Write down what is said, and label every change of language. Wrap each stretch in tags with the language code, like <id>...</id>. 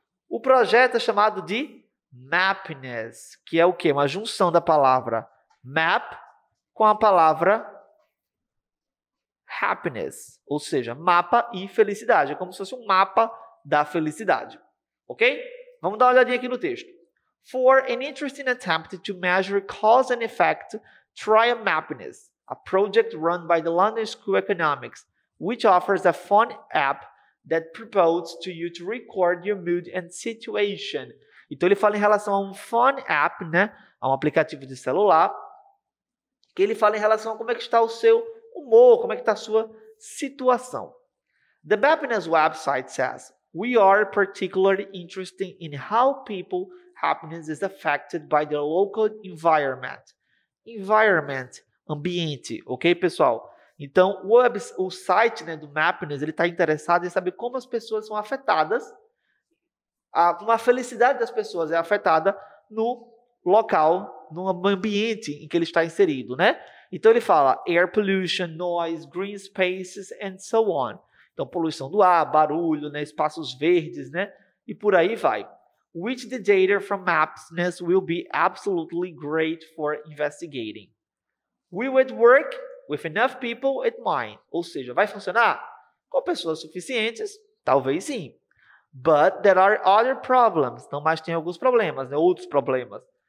<pt>O projeto é chamado de Mappiness, que é o quê? Uma junção da palavra map com a palavra happiness, ou seja, mapa e felicidade. É como se fosse um mapa da felicidade, ok? Vamos dar uma olhadinha aqui no texto.</pt> <en>For an interesting attempt to measure cause and effect, try a Mappiness, a project run by the London School of Economics, which offers a fun app that proposes to you to record your mood and situation.</en> <pt>Então ele fala em relação a um fun app, né? A um aplicativo de celular, que ele fala em relação a como é que está o seu humor, como é que está a sua situação.</pt> <en>The Mappiness website says, we are particularly interested in how people happiness is affected by the local environment.</en> <pt>Environment, ambiente, ok, pessoal? Então, o site, né, do Mappiness, ele está interessado em saber como as pessoas são afetadas, como a felicidade das pessoas é afetada no local, no ambiente em que ele está inserido, né? Então, ele fala</pt> <en>air pollution, noise, green spaces, and so on.</en> <pt>Então, poluição do ar, barulho, né, espaços verdes, né? E por aí vai.</pt> <en>Which the data from Mappiness will be absolutely great for investigating. We would work with enough people at mine.</en> <pt>Ou seja, vai funcionar? Com pessoas suficientes? Talvez sim.</pt> <en>But there are other problems.</en> <pt>Então, mas tem alguns problemas, né? Outros problemas.</pt>